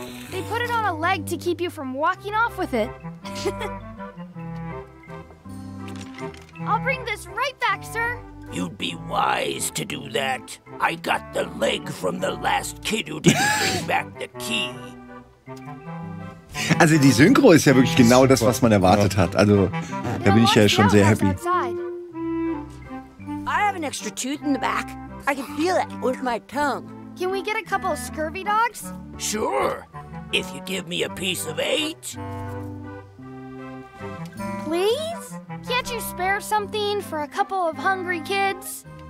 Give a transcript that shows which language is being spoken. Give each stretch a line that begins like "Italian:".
English: They put it on a leg to keep you from walking off with it. I'll bring this right back, sir. You'd be wise to do that. I got the leg from the last kid who didn't bring back the key.
German: Also die Synchro ist ja wirklich genau das, was man erwartet hat. Also da bin ich ja schon sehr happy.
English: I have an extra tooth in the back. I can feel it with my tongue. Can we get a couple of scurvy dogs? Sure. If you give me a piece of eight. Please? Can't you spare something for a couple of hungry kids?